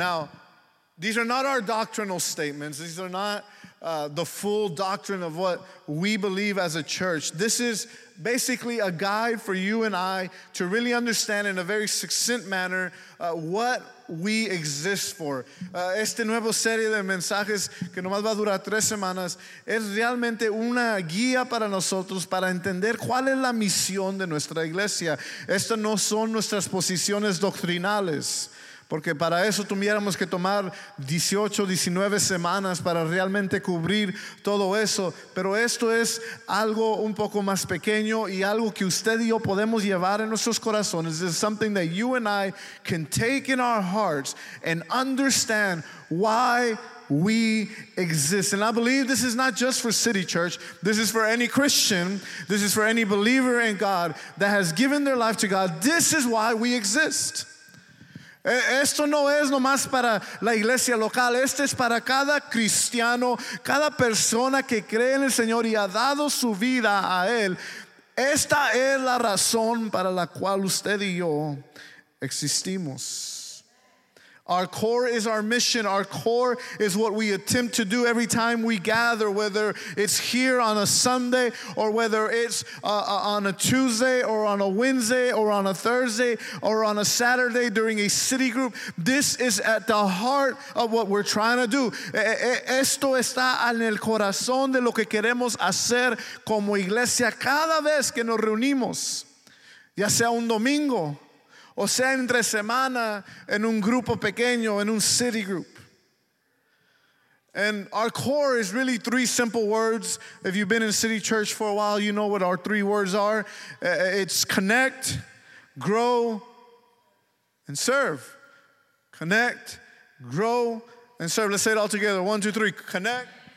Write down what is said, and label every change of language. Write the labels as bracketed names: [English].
[English] Now, these are not our doctrinal statements. These are not the full doctrine of what we believe as a church. This is basically a guide for you and I to really understand in a very succinct manner what we exist for. [Spanish] Este nuevo serie de mensajes que nomás va a durar tres semanas es realmente una guía para nosotros para entender cuál es la misión de nuestra iglesia. Estas no son nuestras posiciones doctrinales. Porque para eso tuviéramos que tomar 18, 19 semanas para realmente cubrir todo eso. Pero esto es algo un poco más pequeño y algo que usted y yo podemos llevar en nuestros corazones. [English] This is something that you and I can take in our hearts and understand why we exist. And I believe this is not just for City Church. This is for any Christian. This is for any believer in God that has given their life to God. This is why we exist. [Spanish] Esto no es nomás para la iglesia local. Este es para cada cristiano, cada persona que cree en el Señor y ha dado su vida a Él. Esta es la razón para la cual usted y yo existimos. [English] Our core is our mission. Our core is what we attempt to do every time we gather, whether it's here on a Sunday or whether it's on a Tuesday or on a Wednesday or on a Thursday or on a Saturday during a city group. This is at the heart of what we're trying to do. [Spanish] Esto está en el corazón de lo que queremos hacer como iglesia cada vez que nos reunimos, ya sea un domingo, o sea, entre semana, en un grupo pequeño, en un city group. [English] And our core is really three simple words. If you've been in city church for a while, you know what our three words are. It's connect, grow, and serve. Connect, grow, and serve. Let's say it all together. One, two, three. Connect.